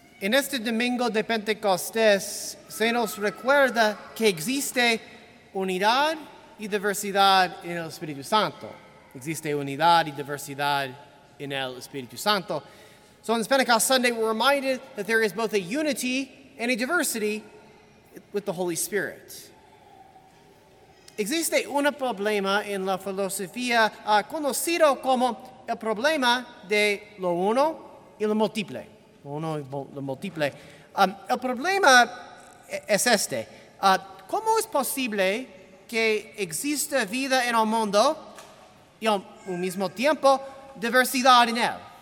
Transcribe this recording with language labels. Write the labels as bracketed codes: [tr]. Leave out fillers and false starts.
[es] En este domingo de Pentecostés se nos recuerda que existe unidad y diversidad en el Espíritu Santo. Existe unidad y diversidad en el Espíritu Santo. [en] So on this Pentecost Sunday, we're reminded that there is both a unity and a diversity with the Holy Spirit. [es] Existe un problema en la filosofía conocido como el problema de lo uno y lo múltiple. El problema es este. ¿Cómo es posible que exista vida en el mundo y al mismo tiempo diversidad en él?